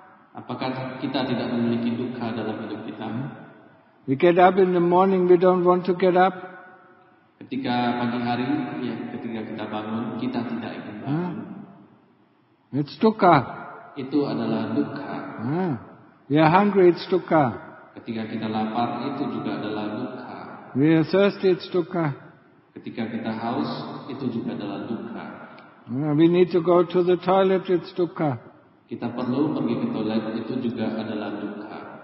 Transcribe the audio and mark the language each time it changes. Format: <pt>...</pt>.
<id>Apakah kita tidak memiliki duka dalam hidup kita?</id> <en>We get up in the morning, we don't want to get up.</en> <id>Ketika pagi hari, ya, ketika kita bangun, kita tidak ingin bangun.</id> <en>It's dukkha.</en> <id>Itu adalah dukkha.</id> <en>We are hungry, it's dukkha.</en> <id>Ketika kita lapar, itu juga adalah dukkha.</id> <en>We are thirsty, it's dukkha.</en> <id>Ketika kita haus, itu juga adalah dukkha.</id> <en>We need to go to the toilet, it's dukkha.</en> <id>Kita perlu pergi ke toilet, itu juga adalah dukkha.</id>